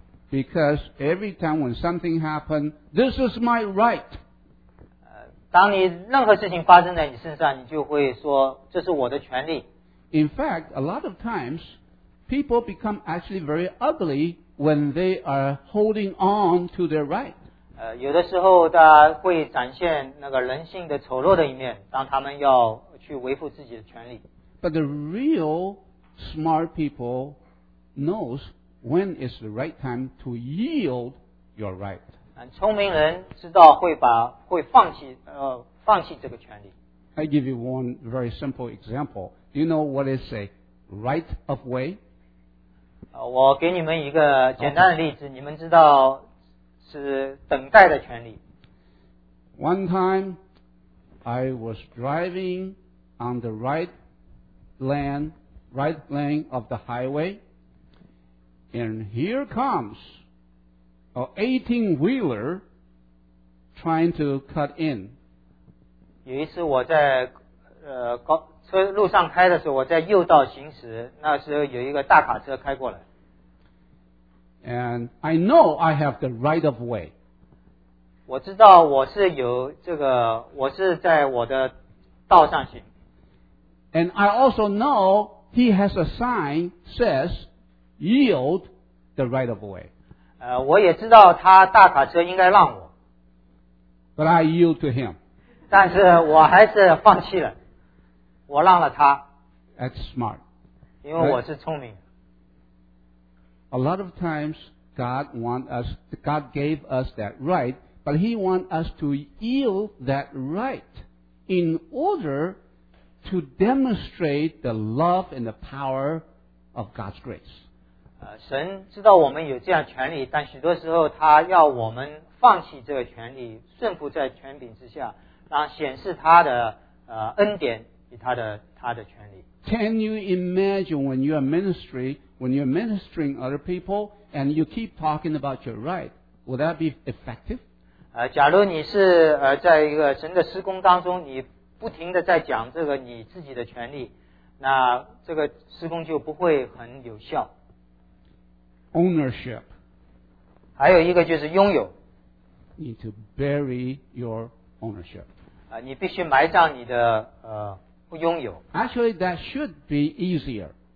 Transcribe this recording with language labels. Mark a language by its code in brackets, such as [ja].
[en] Because every time when something happens, this is my right. [zh] 当你任何事情发生在你身上，你就会说这是我的权利。 [en] In fact, a lot of times, people become actually very ugly when they are holding on to their right. [zh] 有的时候他会展现那个人性的丑陋的一面，当他们要去维护自己的权利。 [en] But the real smart people knows when is the right time to yield your right. [zh] 聪明人知道会放弃这个权利。 [en] I give you one very simple example. Do you know what is a right of way? [zh] 我给你们一个简单的例子，你们知道是等待的权利。 [en] One time, I was driving on the right lane of the highway, and here comes an 18-wheeler trying to cut in. [zh] 有一次我在车路上开的时候，我在右道行驶，那时候有一个大卡车开过来。 [en] And I know I have the right of way. [zh] 我知道我是有这个，我是在我的道上行。 [en] And I also know he has a sign says yield the right of way. [zh] 我也知道他大卡车应该让我。 [en] But I yield to him. [zh] 但是我还是放弃了，我让了他。 [en] That's smart. [zh] 因为我是聪明。 [en] A lot of times God gave us that right, but he wants us to yield that right in order to demonstrate the love and the power of God's grace. [zh] 神知道我们有这样权利，但许多时候他要我们放弃这个权利，顺服在权柄之下，然后显示他的恩典与他的权利。 [en] Can you imagine when you are ministering other people and you keep talking about your right, will that be effective? [zh] 假如你是在一个神的施工当中，你不停的在讲这个你自己的权利，那这个施工就不会很有效。 [en] Ownership. [zh] 还有一个就是拥有。 [en] Need to bury your ownership. [zh] 你必须埋葬你的拥有。 [en] Actually, that should be easier.